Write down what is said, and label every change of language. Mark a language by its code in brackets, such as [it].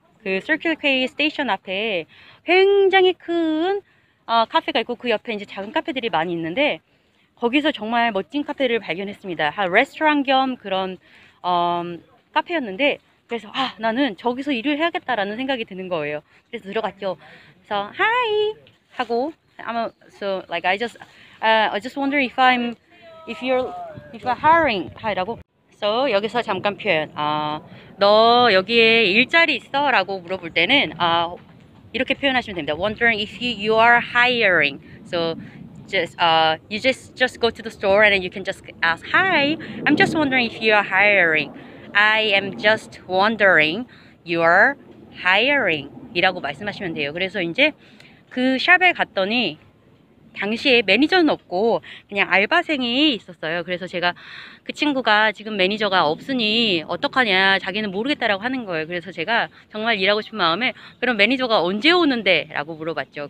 [ko] 그 Circular K 스테이션 앞에 굉장히 큰 카페가 있고 그 옆에 이제 작은 카페들이 많이 있는데 거기서 정말 멋진 카페를 발견했습니다. 한 레스토랑 겸 그런 카페였는데 그래서 아, 나는 저기서 일을 해야겠다라는 생각이 드는 거예요. 그래서 들어갔죠. 그래서 하이 하고 [en] so like I just wonder if you're hiring [ko] 하라고. So 여기서 잠깐 표현. 너 여기에 일자리 있어라고 물어볼 때는 이렇게 표현하시면 됩니다. [en] Wondering if you are hiring. So just go to the store and then you can just ask hi. I'm just wondering if you are hiring. I am just wondering you are hiring [ko] 이라고 말씀하시면 돼요. 그래서 이제 그 샵에 갔더니 당시에 매니저는 없고 그냥 알바생이 있었어요. 그래서 제가 그 친구가 지금 매니저가 없으니 어떡하냐 자기는 모르겠다라고 하는 거예요. 그래서 제가 정말 일하고 싶은 마음에 그럼 매니저가 언제 오는데? 라고 물어봤죠.